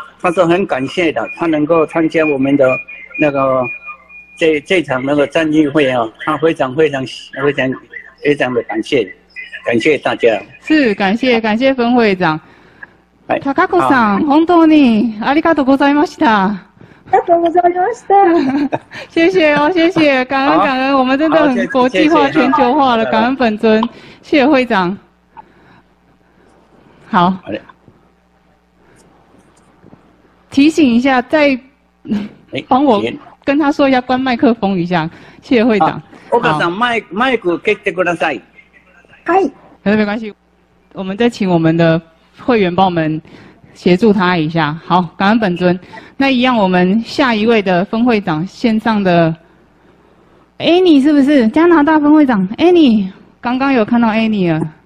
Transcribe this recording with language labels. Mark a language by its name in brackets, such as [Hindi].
[Chinese] 他是很感谢的，他能够参加我们的那个这场那个战役会啊，他非常非常非常非常的感谢大家。是，感谢分会长。 [Japanese] 高子さん、本当にありがとうございました。ありがとうございました。 [Chinese] 谢谢哦，谢谢，感恩感恩，我们真的很国际化、全球化了，感恩本尊，谢会长。好。提醒一下，再帮我跟他说一下，关麦克风一下，谢谢会长。 [Japanese] 岡さん、マイク切ってください。はい。 [Chinese] 没关系，我们再请我们的会员帮我们协助他一下。好，感恩本尊。那一样，我们下一位的分会长线上的 Annie 是不是加拿大分会长 Annie？刚刚有看到 Annie 了。